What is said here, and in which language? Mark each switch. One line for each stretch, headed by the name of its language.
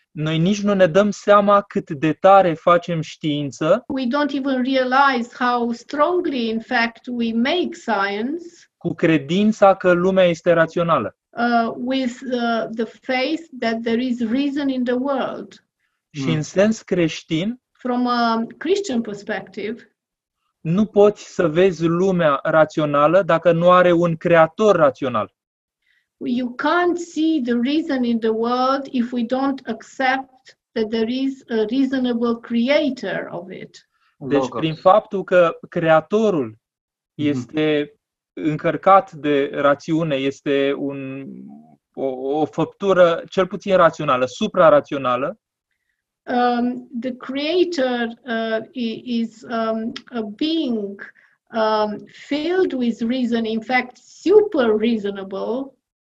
Romanian: Noi nici nu ne dăm seama cât de tare facem știință.
English: We don't even realize how strongly, in fact, we make science.
Romanian: Cu credința că lumea este rațională.
English: With the faith that there is reason in the world.
Romanian: Și în sens creștin,
English: from a Christian perspective,
Romanian: nu poți să vezi lumea rațională dacă nu are un creator rațional.
English: You can't see the reason in the world if we don't accept that there is a reasonable creator of it.
Romanian: Deci prin faptul că creatorul este încărcat de rațiune, este o făptură cel puțin rațională, supra-rațională.
English: The creator is a being filled with reason, in fact super reasonable.